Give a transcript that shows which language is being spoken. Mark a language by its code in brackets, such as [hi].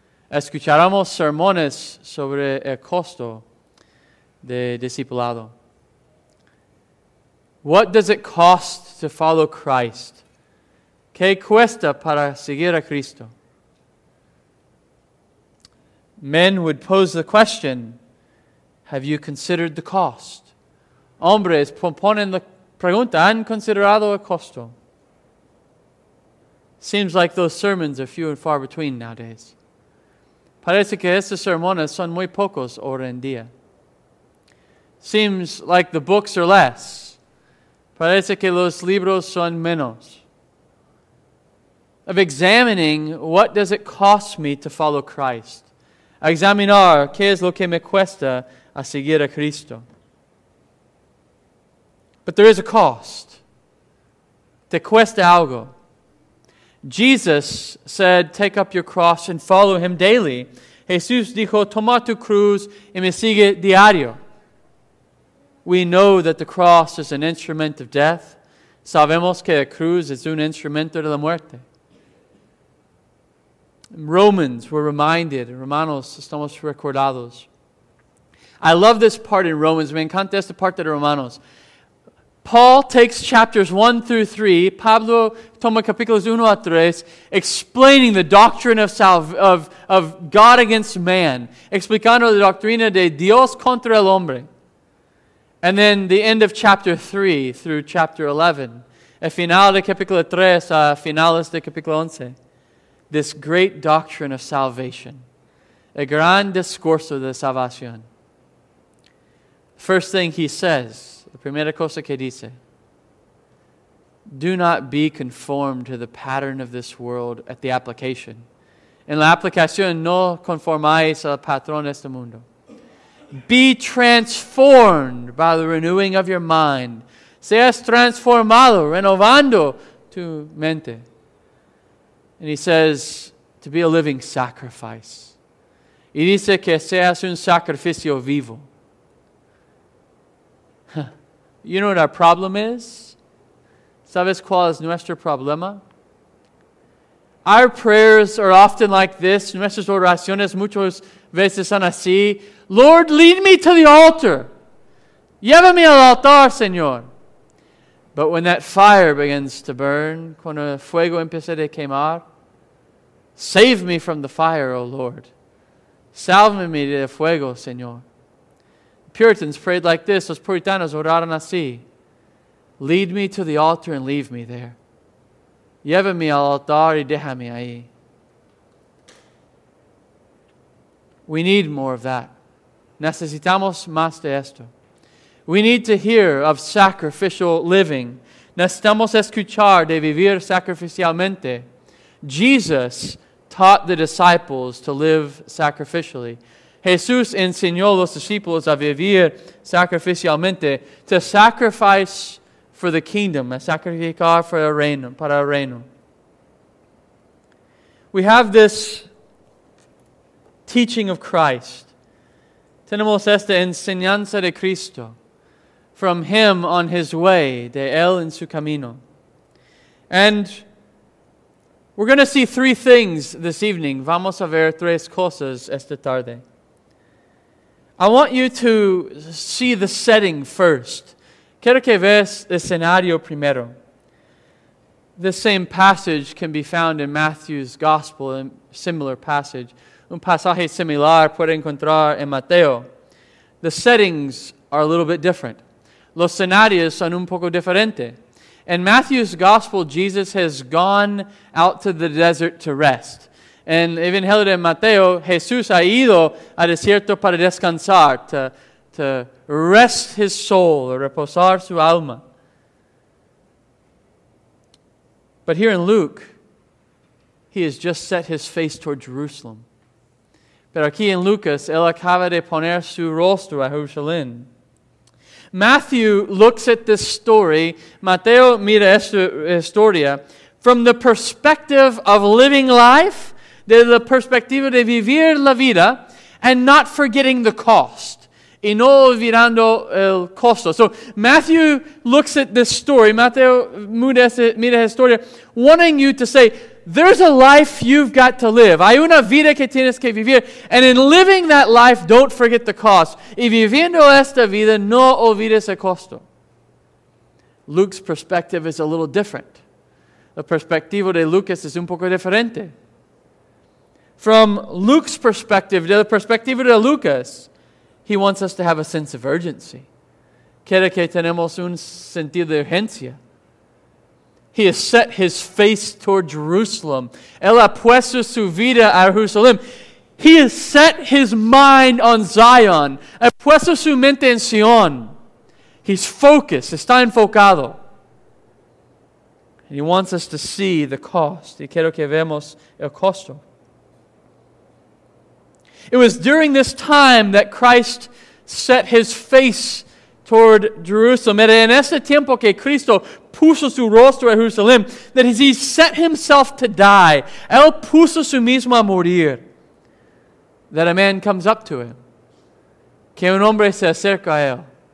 [es] Escucharamos sermones sobre el costo de discipulado. [en] What does it cost to follow Christ? [es] ¿Qué cuesta para seguir a Cristo? [en] Men would pose the question, "Have you considered the cost?" [es] Hombres ponen la pregunta, "¿Han considerado el costo?" [en] Seems like those sermons are few and far between nowadays. [es] Parece que esos sermones son muy pocos hoy en día. [en] Seems like the books are less. [es] Parece que los libros son menos. [en] Of examining, what does it cost me to follow Christ? [es] Examinar, ¿qué es lo que me cuesta a seguir a Cristo? [en] But there is a cost. [es] Te cuesta algo. [en] Jesus said, "Take up your cross and follow him daily." [es] Jesús dijo, "Toma tu cruz y me sigue diario." [en] We know that the cross is an instrument of death. [es] Sabemos que la cruz es un instrumento de la muerte. [en] In Romans, we're reminded. [es] Romanos, estamos recordados. [en] I love this part in Romans. [es] Me encanta esta parte de Romanos. [en] Paul takes chapters 1 through 3, [es] Pablo toma capítulos 1 a 3, [en] explaining the doctrine of God against man, [es] explicando la doctrina de Dios contra el hombre. [en] And then the end of chapter 3 through chapter 11, [es] el final de capítulo 3 a finales de capítulo 11, [en] this great doctrine of salvation, [es] el gran discurso de salvación. [en] First thing he says, [es] la primera cosa que dice, [en] do not be conformed to the pattern of this world at the application. [es] En la aplicación, no conformáis al patrón de este mundo. [en] Be transformed by the renewing of your mind. [es] Seas transformado, renovando tu mente. [en] And he says, to be a living sacrifice. [es] Y dice que seas un sacrificio vivo. [en] You know what our problem is? [es] ¿Sabes cuál es nuestro problema? [en] Our prayers are often like this. [es] Nuestras oraciones muchas veces son así. [en] Lord, lead me to the altar. [es] Llévame al altar, Señor. [en] But when that fire begins to burn, [es] cuando el fuego empieza a quemar, [en] save me from the fire, O Lord. [es] Sálvame de fuego, Señor. [en] Puritans prayed like this. [es] Los puritanos oraron así. [en] Lead me to the altar and leave me there. [es] Llévame al altar y déjame ahí. [en] We need more of that. [es] Necesitamos más de esto. [en] We need to hear of sacrificial living. [es] Necesitamos escuchar de vivir sacrificialmente. [en] Jesus taught the disciples to live sacrificially. [es] Jesús enseñó a los discípulos a vivir sacrificialmente, [en] to sacrifice for the kingdom, [es] a sacrificar for el reino, para el reino. [en] We have this teaching of Christ. [es] Tenemos esta enseñanza de Cristo [en] from Him on His way, [es] de Él en su camino. [en] And we're going to see three things this evening. [es] Vamos a ver tres cosas esta tarde. [en] I want you to see the setting first. Quiero que veas el escenario primero. This same passage can be found in Matthew's Gospel, a similar passage. [es] Un pasaje similar puede encontrar en Mateo. [en] The settings are a little bit different. [es] Los escenarios son un poco diferentes. [en] In Matthew's Gospel, Jesus has gone out to the desert to rest. [es] En el Evangelio de Mateo, Jesús ha ido al desierto para descansar, [en] to rest his soul, [es] or reposar su alma. [en] But here in Luke, he has just set his face toward Jerusalem. [es] Pero aquí en Lucas, él acaba de poner su rostro a Jerusalén. [en] Matthew looks at this story, [es] Mateo mira esta historia, [en] from the perspective of living life, [es] de la perspectiva de vivir la vida, [en] and not forgetting the cost, [es] y no olvidando el costo. [en] So Matthew looks at this story, [es] Mateo mira esta historia, [en] wanting you to say, there's a life you've got to live. [es] Hay una vida que tienes que vivir, [en] and in living that life, don't forget the cost. [es] Y viviendo esta vida, no olvides el costo. [en] Luke's perspective is a little different. [es] La perspectiva de Lucas es un poco diferente. [en] From Luke's perspective, the perspective of Lucas, he wants us to have a sense of urgency. [es] Quiere que tenemos un sentido de urgencia. [en] He has set his face toward Jerusalem. [es] Él ha puesto su vida a Jerusalén. [en] He has set his mind on Zion. [es] Ha puesto su mente en Sion. [en] He's focused. [es] Está enfocado. [en] And he wants us to see the cost. [es] Y quiero que vemos el costo. [en] It was during this time that Christ set his face toward Jerusalem. [es] Era en ese tiempo que Cristo puso su rostro a Jerusalén, [en] that he set himself to die. [es] Él puso su mismo a morir. [en] That a man comes up to him. [es] Que un hombre se acerca a él.